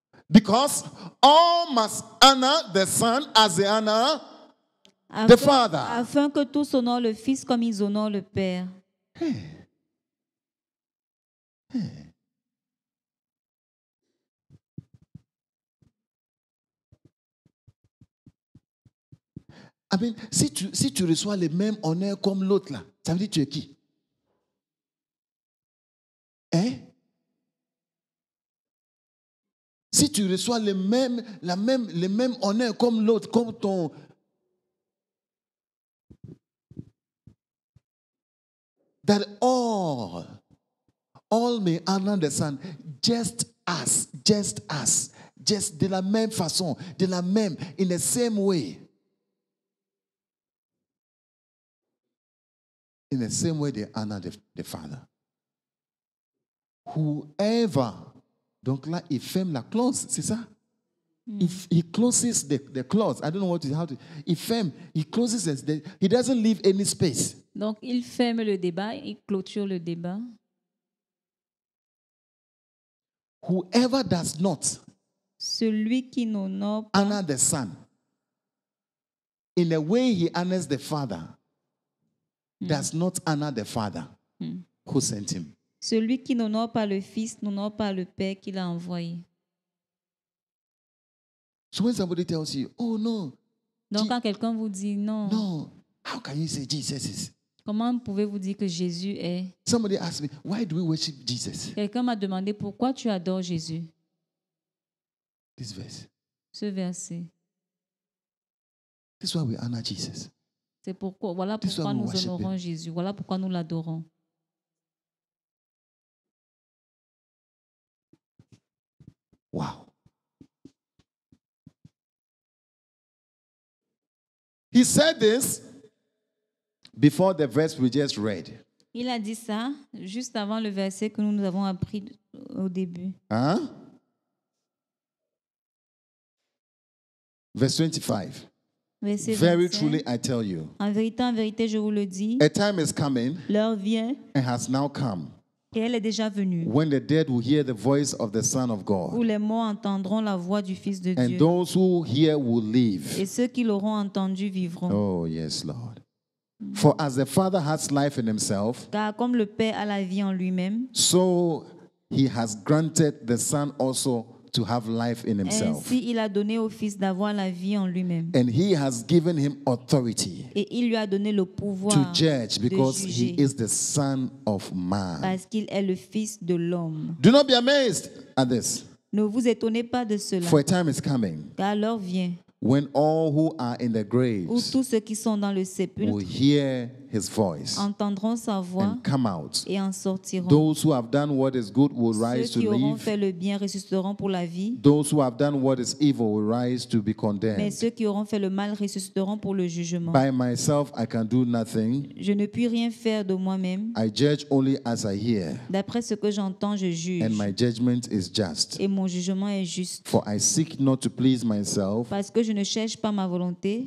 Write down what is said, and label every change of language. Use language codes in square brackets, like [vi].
[en] Because all must honor the Son as they honor the Father. [fr] Afin que tous honorent le Fils comme ils honorent le Père. [en] I mean, [fr] si tu reçois les mêmes honneurs comme l'autre là, ça veut dire tu es qui? Hein? Si tu reçois le même honneur comme l'autre, comme ton. [en] That all may honor the Son, just [fr] de la même façon, de la même, [en] in the same way. In the same way they honor the Father. [fr] Whoever, donc là, il ferme la clause, c'est ça? [en] He closes the clause. I don't know what is how to. He doesn't leave any space. [fr] Donc il ferme le débat, il clôture le débat. [en] Whoever does not, [fr] celui qui n'honore pas, [en] honor the Son, in the way he honors the Father, does not honor the Father who sent him. [fr] Celui qui n'honore pas le Fils n'honore pas le Père qui l'a envoyé. [en] So when somebody tells you, oh no. [fr] Donc quand quelqu'un vous dit non. [en] No. How can you say Jesus is? [fr] Comment pouvez-vous dire que Jésus est? [en] Somebody asked me, why do we worship Jesus? [fr] Quelqu'un m'a demandé pourquoi tu adores Jésus. [en] This verse. [fr] Ce verset. [en] This is why we honor Jesus. [fr] C'est pourquoi voilà pourquoi nous honorons Jésus. Voilà pourquoi nous l'adorons. [en] Wow. He said this before the verse we just read. [fr] Il a dit ça juste avant le verset que nous avons appris au début. Hein? [en] Verse 25. Very truly I tell you. [fr] En vérité, je vous le dis. [en] A time is coming. [fr] L'heure vient. [en] And has now come. [fr] Et elle est déjà venue. [en] When the dead will hear the voice of the Son of God. [fr] Où les morts entendront la voix du Fils de Dieu. [en] And those who hear will live. [fr] Et ceux qui l'auront entendu vivront. [en] Oh yes, Lord. For as the Father has life in himself, [fr] car comme le Père a la vie en lui-même, [en] so he has granted the Son also to have life in himself. [fr] Ainsi, il a donné au Fils d'avoir la vie en lui-même. [en] And he has given him authority. [fr] Et il lui a donné le pouvoir [en] to judge, because [fr] de juger. [en] He is the Son of Man. [fr] Parce qu'il est le Fils de l'homme. [en] Do not be amazed at this. [fr] Ne vous étonnez pas de cela. [en] For a time is coming. [fr] Car l'heure vient. [en] When all who are in the graves, [fr] où tous ceux qui sont dans le sépulcre, [en] will hear his voice, [fr] entendront sa voix, [en] and come out, [fr] et en sortiront. [en] Those who have done what is good will rise [fr] ceux [en] to [fr] qui [en] live. [fr] Auront fait le bien ressusciteront pour la vie. [en] Those who have done what is evil will rise to be condemned. [fr] Mais ceux qui auront fait le mal ressusciteront pour le jugement. [en] By myself, I can do nothing. [fr] Je ne puis rien faire de moi-même. [en] I judge only as I hear. [fr] D'après ce que j'entends, je juge. [en] And my judgment is just. [fr] Et mon jugement est juste. [en] For I seek not to please myself. [fr] Parce que je ne cherche pas ma volonté,